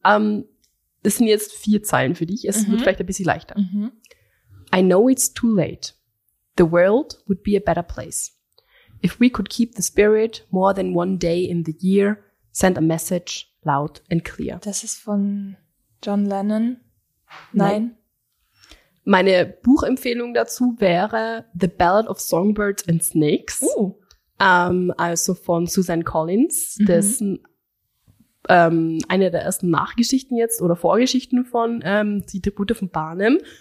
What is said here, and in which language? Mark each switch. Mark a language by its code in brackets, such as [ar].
[de] Das sind jetzt 4 Zeilen für dich. Es wird vielleicht ein bisschen leichter. [en] Mhm. I know it's too late. The world would be a better place. If we could keep the spirit more than one day in the year, send a message loud and clear. [de] Das ist von John Lennon. Nein. Meine Buchempfehlung dazu wäre The Ballad of Songbirds and Snakes. Also von Suzanne Collins. Das ist eine der ersten Nachgeschichten jetzt oder Vorgeschichten von Die Tribute von Barnum.